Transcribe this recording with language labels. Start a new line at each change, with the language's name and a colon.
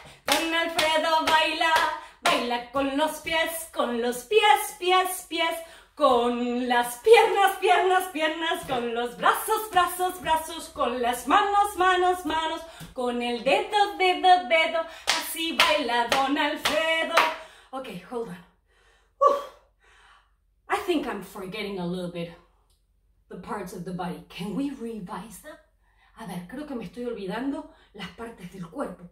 Spanish: Don Alfredo baila, baila con los pies, pies, pies. Con las piernas, piernas, piernas, con los brazos, brazos, brazos, con las manos, manos, manos, con el dedo, dedo, dedo, así baila Don Alfredo.
English: Okay, hold on. I think I'm forgetting a little bit the parts of the body. Can we revise them?
Spanish: A ver, creo que me estoy olvidando las partes del cuerpo.